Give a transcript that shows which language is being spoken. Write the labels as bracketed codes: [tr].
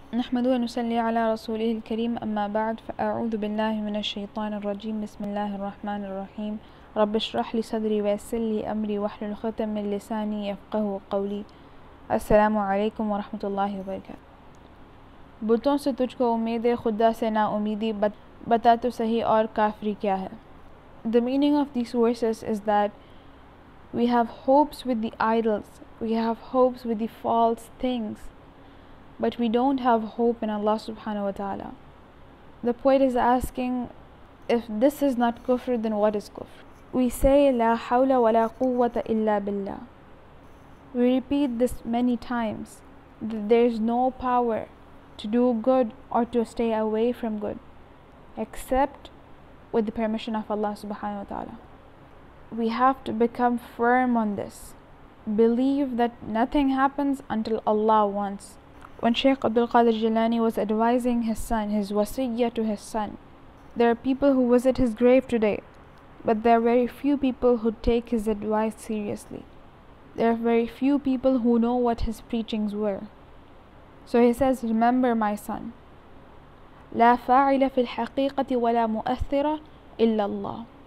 [ar] نحمد ونصلي على رسوله الكريم أما بعد فأعوذ بالله من الشيطان الرجيم بسم الله الرحمن الرحيم رب اشرح لي صدري ويسر لي أمري واحلل عقدة من لساني يفقهوا قولي السلام عليكم ورحمة الله وبركاته [ur] بتوں سے تجھ کو امید ہے خدا سے نا امیدی بتا تو صحیح اور کافری کیا ہے. [en] The meaning of these verses is that we have hopes with the idols, we have hopes with the false things, but we don't have hope in Allah subhanahu wa ta'ala. The poet is asking, if this is not kufr, then what is kufr? We say, la hawla wa la quwwata illa billah. We repeat this many times, that there's no power to do good or to stay away from good, except with the permission of Allah subhanahu wa ta'ala. We have to become firm on this. Believe that nothing happens until Allah wants. When Shaykh Abdul Qadir Jilani was advising his son, his wasiyya to his son, there are people who visit his grave today, but there are very few people who take his advice seriously. There are very few people who know what his preachings were. So he says, remember my son, [ar] لا فاعل في الحقيقة ولا مؤثرة إلا الله.